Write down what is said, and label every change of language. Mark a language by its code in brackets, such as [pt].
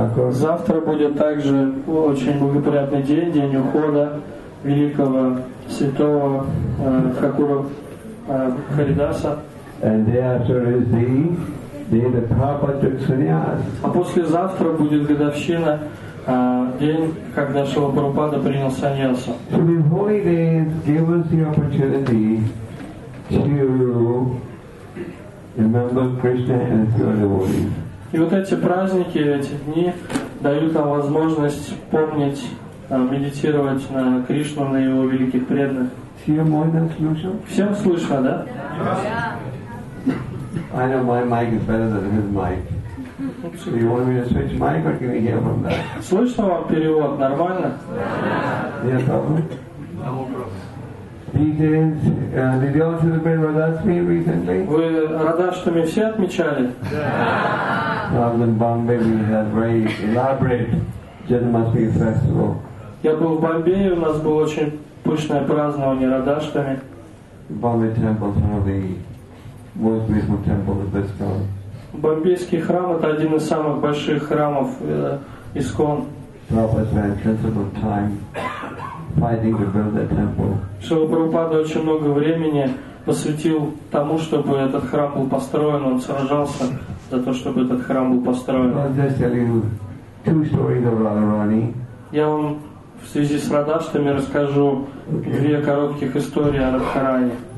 [ru] Завтра будет также очень благоприятный день, день ухода великого святого Тхакура Харидаса. [en] And day after is the day the Prabhupada took sannyas. [ru] А послезавтра будет годовщина, день, когда Шрила Прабхупада принял саньясу. [en] So the holy days give us the opportunity to remember Krishna and his pure devotees. [ru] И вот эти праздники, эти дни дают нам возможность помнить, медитировать на Кришну, на его великих преданных. Всем слышно, да? [en] I know my mic is better than his mic. So you want me to switch mic or can you hear from that? [ru] Слышно вам перевод? Нормально? [en] Yes, problem? Did you all celebrate Radhashtami recently? [ru] Вы Радхаштами все отмечали? [en] Yeah. In Bombay we had very elaborate Janmashtami festival. [ru] Я был в Бомбее, у нас было очень пышное празднование Радхаштами. [en] Bombay temple is one of the most beautiful temples of ISKCON. [ru] Бомбейский храм — это один из самых больших храмов ИСКОН. [en] Prabhupada spent considerable time fighting to build that temple. [ru] Шрила Прабхупада очень много времени посвятил тому, чтобы этот храм был построен. Он сражался за то, чтобы этот храм был построен. [en] I'll just tell you two stories of Radharani. [ru] Я вам в связи с Радхаштами расскажу две коротких истории о Радхаране.